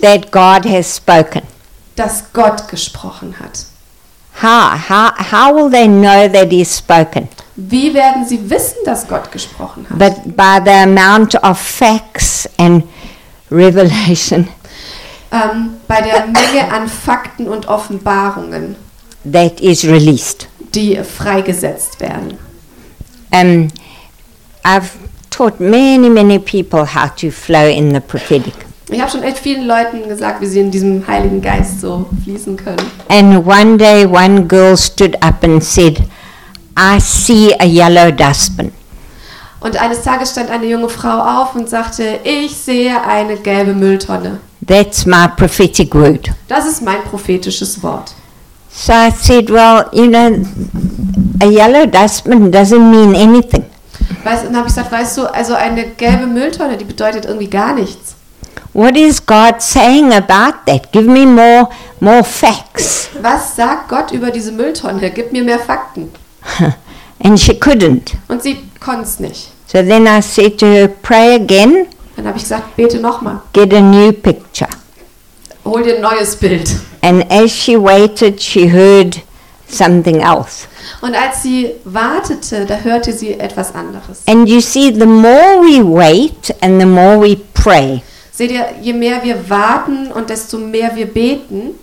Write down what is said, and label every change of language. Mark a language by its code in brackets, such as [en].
[en] that God has spoken. [de] Dass Gott gesprochen hat. [en] How will they know that he's spoken? [de] Wie werden sie wissen, dass Gott gesprochen hat? [en] But by the amount of facts and revelation. [de] Bei der Menge an Fakten und Offenbarungen. [en] That is released. [de] Die freigesetzt werden. [en] I've taught many, many people how to flow in the prophetic. [de] Ich habe schon echt vielen Leuten gesagt, wie sie in diesem Heiligen Geist so fließen können. [en] And one day one girl stood up and said, I see a yellow dustbin. [de] Und eines Tages stand eine junge Frau auf und sagte, ich sehe eine gelbe Mülltonne. [en] That's my prophetic word. [de] Das ist mein prophetisches Wort. [en] So I said, well, you know, a yellow dustbin doesn't mean anything. [de] Weißt, dann habe ich gesagt, weißt du, also eine gelbe Mülltonne, die bedeutet irgendwie gar nichts. [en] What is God saying about that? Give me more facts. [de] Was sagt Gott über diese Mülltonne? Gib mir mehr Fakten. [en] And she couldn't. [de] Und sie konnt's nicht. [en] So then I said to her, pray again. [de] Dann habe ich gesagt, bete nochmal. [en] Get a new picture. [de] Hol dir ein neues Bild. [en] And as she waited, she heard something else. [de] Und als sie wartete, da hörte sie etwas anderes. [en] And you see, the more we wait and the more we pray. [de] Seht ihr, je mehr wir warten und desto mehr wir beten,